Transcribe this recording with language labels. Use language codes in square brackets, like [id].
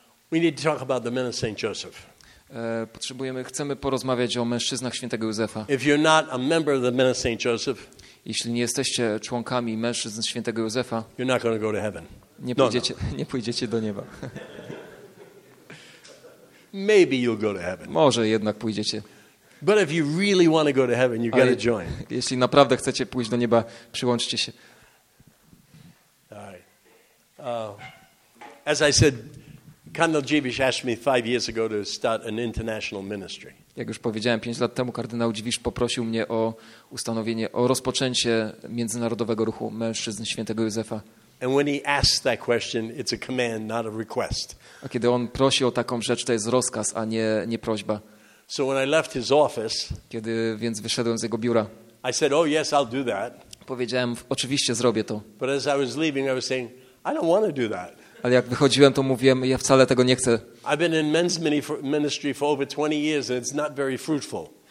[en] We need to talk about the men of Saint Joseph. [pl] Chcemy porozmawiać o mężczyznach Świętego Józefa. [en] If you're not a member of the men of Saint Joseph, [pl] jeśli nie jesteście członkami mężczyzn Świętego Józefa, [en] you're not going to go to heaven. [pl] Nie pójdziecie do nieba. [en] Maybe you'll go to heaven. [pl] Może jednak pójdziecie. [en] But if you really want to go to heaven, you've got to join. [pl] Jeśli naprawdę chcecie pójść do nieba, przyłączcie się. [en] As I said, Kardinal Dziwisz asked me 5 years ago to start an international ministry. [pl] Jak już powiedziałem, 5 lat temu kardynał Dziwisz poprosił mnie o ustanowienie, o rozpoczęcie międzynarodowego ruchu mężczyzn Świętego Józefa. [en] And when he asks that question, it's a command, not a request. [pl] A kiedy on prosi o taką rzecz, to jest rozkaz, a nie prośba. [en] So when I left his office, [pl] kiedy więc wyszedłem z jego biura, [en] I said, "Oh yes, I'll do that." [pl] Powiedziałem, oczywiście zrobię to. [en] But as I was leaving, I was saying, "I don't want to do that." [pl] Ale jak wychodziłem, to mówiłem, ja wcale tego nie chcę. [en] I've been in men's ministry for over 20 years, and it's not very fruitful.